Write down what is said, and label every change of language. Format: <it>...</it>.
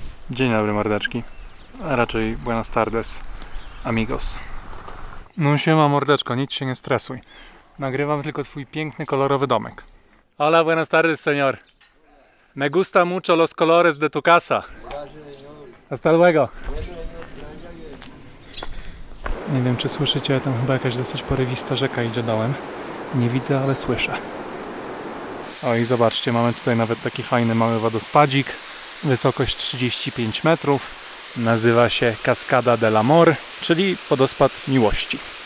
<pl>Dzień dobry, mordeczki. A raczej</pl> <es>buenas tardes, amigos.</es> <pl>No siema, mordeczko, nic się nie stresuj. Nagrywam tylko twój piękny, kolorowy domek.</pl> <es>Hola, buenas tardes, señor. Me gusta mucho los colores de tu casa. Hasta luego.</es> <pl>Nie wiem, czy słyszycie, tam chyba jakaś dosyć porywista rzeka idzie dołem. Nie widzę, ale słyszę. O i zobaczcie, mamy tutaj nawet taki fajny mały wodospadzik. Wysokość 35 metrów. Nazywa się Cascada del Amor, czyli wodospad miłości.</pl>